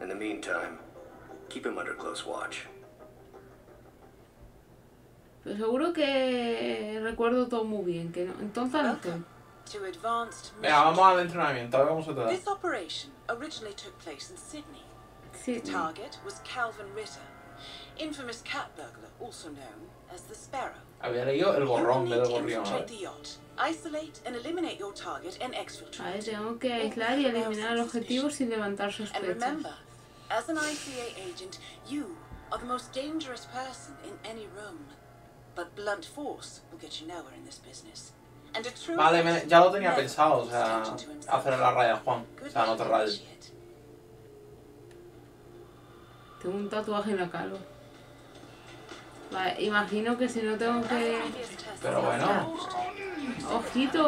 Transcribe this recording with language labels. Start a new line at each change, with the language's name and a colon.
English: In the meantime, keep him under close watch.
Spanish: Pero seguro que recuerdo todo muy bien, que no. Entonces no estoy. Venga, vamos al entrenamiento, a ver cómo se te da.
English: This operation originally took place in Sydney. The target was Calvin Ritter, infamous cat burglar, also known as the Sparrow.
Spanish: Había leído el borrón del gorrión, a ver.
English: Isolate and eliminate your target and exfiltrate.
Spanish: Tengo que aislar y eliminar el objetivo sin levantar sospechas.
English: And remember, as an ICA agent, you are the most dangerous person in any room. But blunt force will get you nowhere in this business. And a true.
Spanish: Vale, ya lo tenía pensado, o sea, hacer la raya Juan, o sea, no te rayes. Tengo un tatuaje en la calva. Vale, imagino que si no tengo que... Pero bueno... ¡Ojito!